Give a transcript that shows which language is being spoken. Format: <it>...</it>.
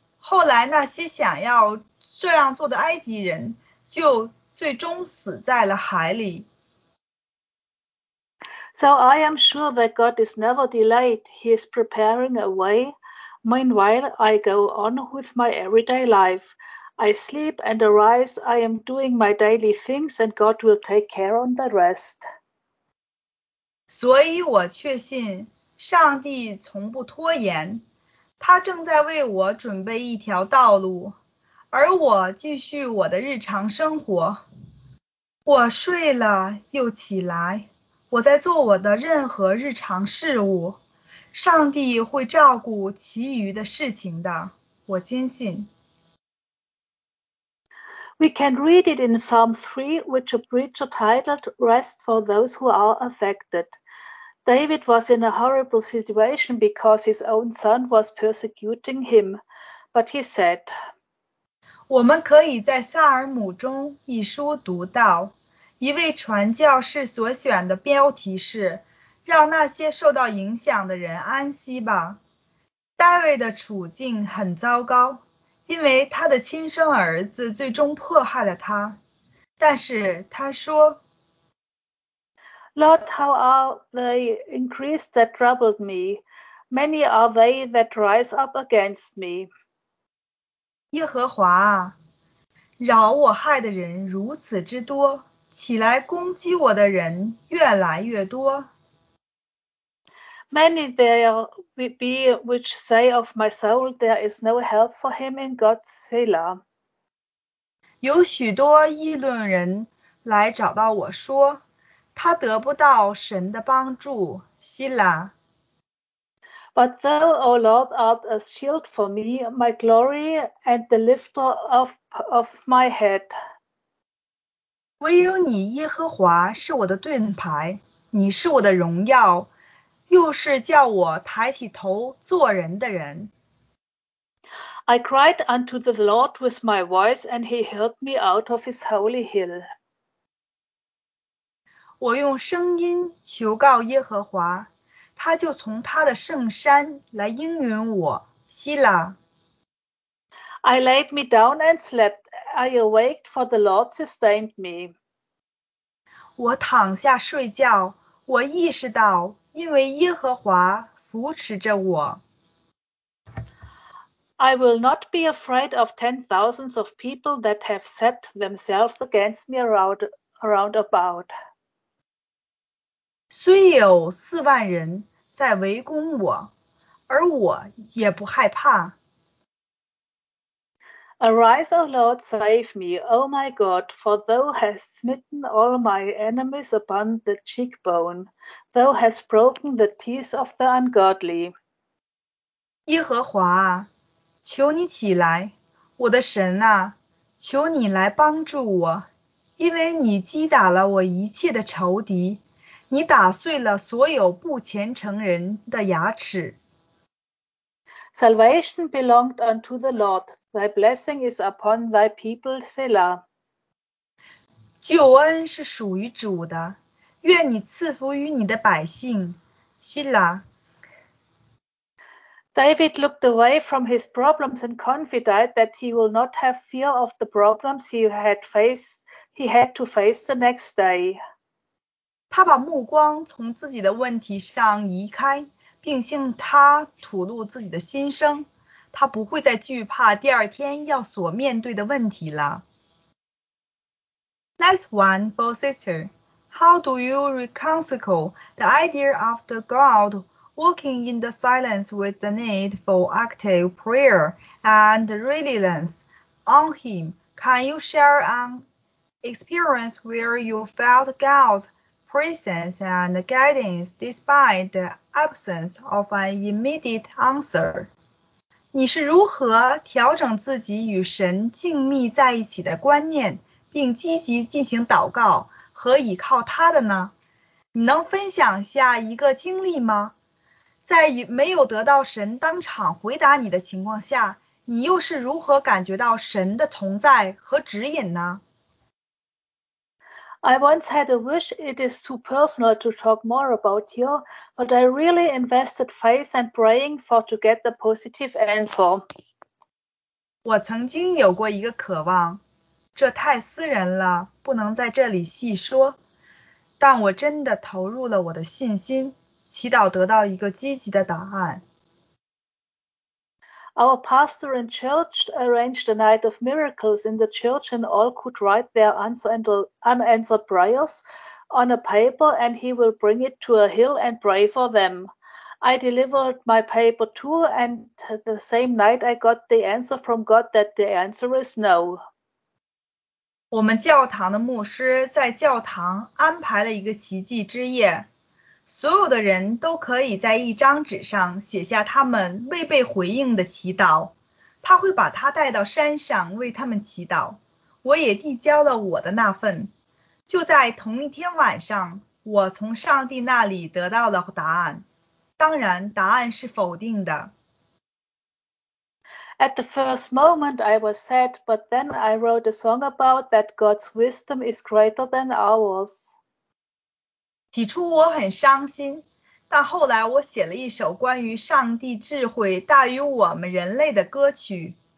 <zh>后来那些想要这样做的埃及人就最终死在了海里。</zh> <en>So I am sure that God is never delayed. He is preparing a way. Meanwhile, I go on with my everyday life. I sleep and arise. I am doing my daily things and God will take care on the rest.</en> <zh>所以我确信上帝从不拖延，他正在为我准备一条道路，而我继续我的日常生活。我睡了又起来，我在做我的任何日常事务，上帝会照顾其余的事情的，我坚信。</zh> <en>We can read it in Psalm 3, which a preacher titled Rest for Those Who Are Affected. David was in a horrible situation because his own son was persecuting him, but he said,</en> <zh>我们可以在萨尔姆中一书读到，一位传教士所选的标题是，让那些受到影响的人安息吧。大卫的处境很糟糕，因为他的亲生儿子最终迫害了他，但是他说，</zh> <en>Lord, how are they increased that troubled me? Many are they that rise up against me.</en> <zh>耶和华啊，扰我害的人如此之多，起来攻击我的人越来越多。</zh> <en>Many there be which say of my soul, there is no help for him in God's Selah.</en> <zh>有许多议论人来找到我说，他得不到神的帮助，希拉。</zh> <en>But thou, O Lord, art a shield for me, my glory and the lifter of my head.</en> <zh>唯有你，耶和华，是我的盾牌，你是我的荣耀，又是叫我抬起头做人的人。</zh> <en>I cried unto the Lord with my voice, and he heard me out of his holy hill.</en> <zh>我用声音求告耶和华，他就从他的圣山来应允我，希拉。</zh> <en>I laid me down and slept. I awaked, for the Lord sustained me.</en> <zh>我躺下睡觉，我意识到因为耶和华扶持着我。</zh> <en>I will not be afraid of ten thousands of people that have set themselves against me around about.</en> <zh>虽有四万人在围攻我，而我也不害怕。</zh> <en>Arise, O Lord, save me, O my God, for thou hast smitten all my enemies upon the cheekbone. Thou hast broken the teeth of the ungodly.</en> <zh>耶和华啊，求你起来，我的神啊，求你来帮助我，因为你击打了我一切的仇敌，你打碎了所有不虔诚人的牙齿。</zh> <en>Salvation belonged unto the Lord. Thy blessing is upon thy people, Selah.</en> <zh>救恩是属于主的，愿你赐福于你的百姓，希拉。</zh> <en>David looked away from his problems and confided that he will not have fear of the problems he had to face the next day.</en> <zh>他把目光从自己的问题上移开，并向他吐露自己的心声，他不会再惧怕第二天要所面对的问题了。</zh> <en>Nice one, for sister. How do you reconcile the idea of the God walking in the silence with the need for active prayer and reliance on Him? Can you share an experience where you felt God's presence and guidance despite the absence of an immediate answer?</en> <zh>你是如何调整自己与神静谧在一起的观念，并积极进行祷告？和倚靠他的呢？你能分享下一个经历吗？在没有得到神当场回答你的情况下，你又是如何感觉到神的同在和指引呢？</zh> <en>I once had a wish, it is too personal to talk more about here, but I really invested faith and praying for to get the positive answer.</en> <zh>我曾经有过一个渴望，这太私人了，不能在这里细说。但我真的投入了我的信心，祈祷得到一个积极的答案。</zh> <en>Our pastor and church arranged a night of miracles in the church, and all could write their unanswered prayers on a paper, and he will bring it to a hill and pray for them. I delivered my paper too, and the same night I got the answer from God that the answer is no.</en> <zh>我们教堂的牧师在教堂安排了一个奇迹之夜。所有的人都可以在一张纸上写下他们未被回应的祈祷，他会把他带到山上为他们祈祷。我也递交了我的那份。就在同一天晚上，我从上帝那里得到了答案，当然答案是否定的。</zh> <en>At the first moment I was sad, but then I wrote a song about that God's wisdom is greater than ours.</en> <zh>起初我很伤心，但后来我写了一首关于上帝智慧大于我们人类的歌曲。</zh>